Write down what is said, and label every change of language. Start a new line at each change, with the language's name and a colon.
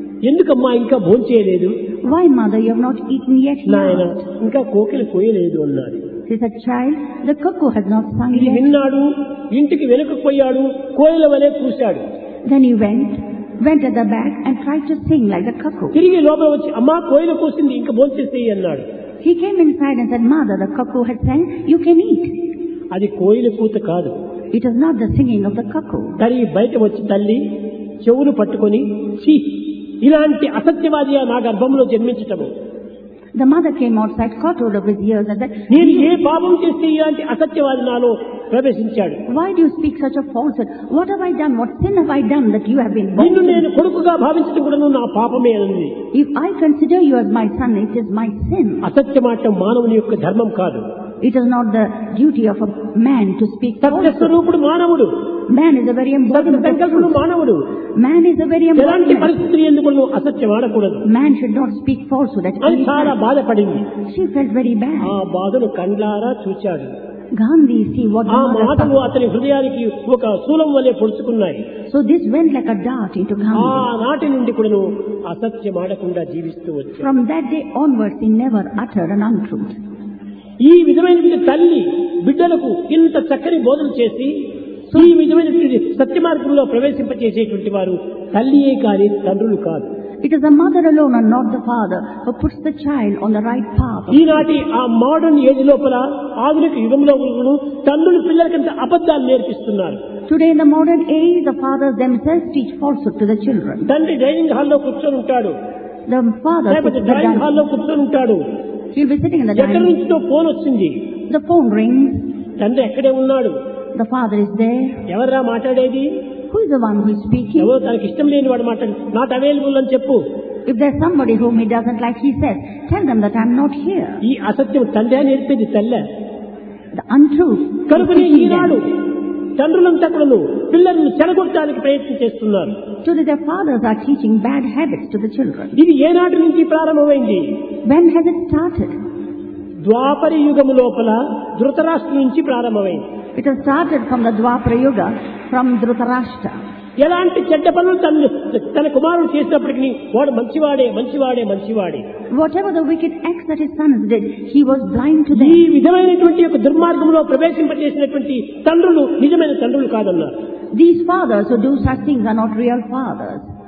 Telugu: ఎందుకమ్మా ఇంకా భోంచేయలేదు?
English: Why mother you have not eaten yet?
Telugu: నాయన ఇంకా కోకిల కూయలేదు అన్నారు.
English: He said, child, the cuckoo has not sung yet.
Telugu: విన్నాడు, ఇంటికి వెనుకకు పోయాడు, కోయిల వలె కూశాడు.
English: Then he went at the back and tried to sing like the cuckoo.
Telugu: తిరిగి లోపల వచ్చి అమ్మా కోయిల కూసింది ఇంకా భోంచేసేయి అన్నాడు.
English: He came inside and said, mother, the cuckoo has sung, you can eat.
Telugu: అది కోయిల కూత కాదు.
English: It was not the singing of the cuckoo.
Telugu: తల్లి బయట వచ్చి తల్లి చెవులు పట్టుకొని చీ ఇలాంటి అసత్యవాదియా నా గర్భంలో జన్మించటము.
English: The mother came outside, caught hold of his ears and said,
Telugu: నేను ఏ పాపం చేస్తే ఇలాంటి అసత్యవాది నాలో ప్రవేశించాడు?
English: Why do you speak such a falsehood? What have I done? What sin have I done that you have been born?
Telugu: నిన్ను నేను కొడుకుగా భావించడం కూడా నా పాపమే అని.
English: If I consider you as my son, it is my sin.
Telugu: అసత్యమాట మానవుని యొక్క ధర్మం కాదు.
English: It is not the duty of a man to speak falsehood.
Telugu: సత్యస్వరూపుడు మానవుడు.
English: Man is a very important
Telugu: ఎలాంటి పరిస్థితి ఎందుకు అసత్యం ఆడకూడదు.
English: Man should not speak falsehood.
Telugu: అని చాలా బాధపడింది.
English: She felt very bad.
Telugu: ఆ బాధను కండ్లారా చూచాడు.
English: Gandhi, see what
Telugu: ఆ మాటలు అతని హృదయానికి ఒక శూలం వలె పొడుచుకున్నాయి.
English: So this went like a dart into Gandhi.
Telugu: ఆ నాటి నుండి కూడా అసత్యం ఆడకుండా జీవిస్తూ వచ్చాడు.
English: From that day onwards he never uttered an untruth.
Telugu: ఈ విధమైన తల్లి బిడ్డలకు ఇంత చక్కని బోధన చేసి ఈ విధమైన సత్య మార్గంలో ప్రవేశింపచేసేటువంటి వారు తల్లియే కాని తండ్రులు కాదు.
English: It is the mother alone and not the father who puts the child on the right path.
Telugu: ఈ నాటి ఆ మోడర్న్ ఏజ్ లోపల ఆధునిక యుగంలో ఉన్న తల్లులు పిల్లలకంత అబద్ధాలు నేర్పిస్తున్నారు.
English: Today in the modern age the fathers themselves teach falsehood to the children.
Telugu: తండ్రి డైనింగ్ హాల్ లో కూర్చొని ఉంటాడు.
English: The father
Telugu: డైనింగ్ హాల్ లో కూర్చొని ఉంటాడు.
English: He is sitting in the dining.
Telugu: ఎక్కడ నుంచో ఫోన్ వచ్చింది.
English: The phone rings.
Telugu: తండ్రి ఎక్కడే ఉన్నాడు.
English: The father is there.
Telugu: ఎవరా మాట్లాడేది?
English: Who is the one who is speaking?
Telugu: ఎవరో తనకి ఇష్టం లేని వాడు మాట్లాడు,
English: not available
Telugu: అని చెప్పు.
English: If there is somebody whom he doesn't like, he says, tell them that I'm not here.
Telugu: ఈ అసత్యం తండ్రి అని చెప్పేది తల్ల.
English: The untruth.
Telugu: కనుకనే ఈనాడు తండ్రులంతా కూడా పిల్లల్ని చెడగొట్టడానికి ప్రయత్నం చేస్తున్నారు.
English: Today their fathers are teaching bad habits to the children.
Telugu: ఇది ఏనాటి నుంచి ప్రారంభమైంది?
English: When has it started?
Telugu: ద్వాపర యుగము లోపల ధృతరాష్ట్ర నుంచి ప్రారంభమైంది.
English: It has started from the Dwapara Yuga, from Dhritarashtra.
Telugu: ఎలాంటి చెడ్డ పనులు తన కుమారుడు చేసినప్పటికీ వాడు మంచివాడే మంచివాడే మంచివాడే.
English: Whatever the wicked acts that his sons did, he was blind to them.
Telugu: ఈ విధమైనటువంటి ఒక దుర్మార్గంలో ప్రవేశింపచేసినటువంటి తండ్రులు నిజమైన తండ్రులు కాదన్నారు.
English: These fathers who do such things are not real fathers.